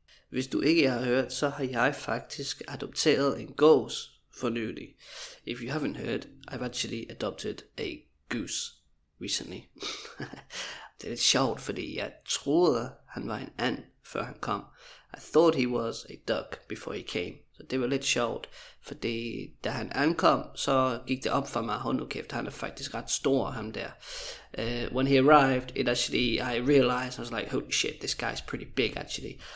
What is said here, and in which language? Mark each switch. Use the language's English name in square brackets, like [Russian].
[Danish] Hvis du ikke har hørt, så har jeg faktisk adopteret en gås for nylig. [English] If you haven't heard, I've actually adopted a goose recently. [Danish] Det er lidt sjovt, fordi jeg troede, han var en and, før han kom. [English] I thought he was a duck before he came. [Danish] Så det var lidt sjovt, fordi da han ankom, så gik det op for mig, hold nu kæft, han er faktisk ret stor, ham der. [English] When he arrived, it actually, I realized, I was like, holy shit, this guy's pretty big actually.